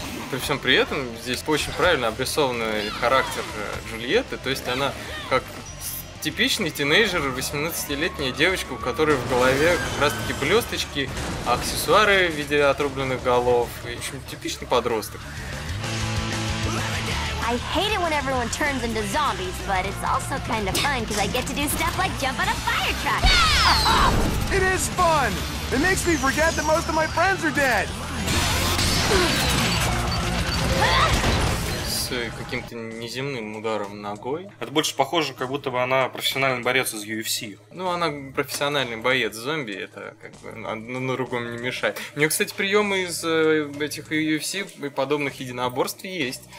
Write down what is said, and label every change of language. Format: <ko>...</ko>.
<ru>При всем при этом, здесь очень правильно обрисованный характер Джульетты, то есть она как... типичный тинейджер, 18-летняя девочка, у которой в голове как раз-таки блесточки, аксессуары в виде отрубленных голов. В общем, типичный подросток.</ru> <en>I hate it when everyone turns into zombies, but it's also kind of fun, because I get to do stuff like jump on a fire truck. It is fun! It makes me forget that most of my friends are dead!</en> <ru>Каким-то неземным ударом ногой. Это больше похоже, как будто бы она профессиональный борец из UFC. Ну, она профессиональный боец зомби, это как бы одно на другом не мешает. У нее, кстати, приемы из этих UFC и подобных единоборств есть.</ru>